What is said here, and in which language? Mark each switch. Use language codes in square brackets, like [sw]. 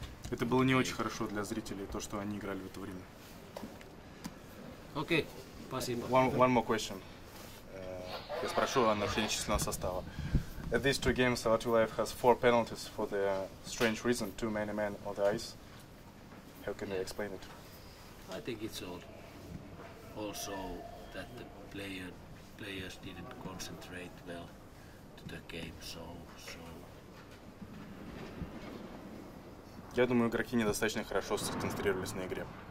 [ru] Это было не очень хорошо для зрителей, то, что они играли в это время. Окей, спасибо. [en] One more question. [ru] Я спрошу о нарушении численного состава. [en] At these two games, Savatilov has 4 penalties for the strange reason, too many men on the ice. How can you explain it? I think it's also that the players didn't concentrate well to the game, so. [ru] Я думаю, игроки недостаточно хорошо сконцентрировались на игре.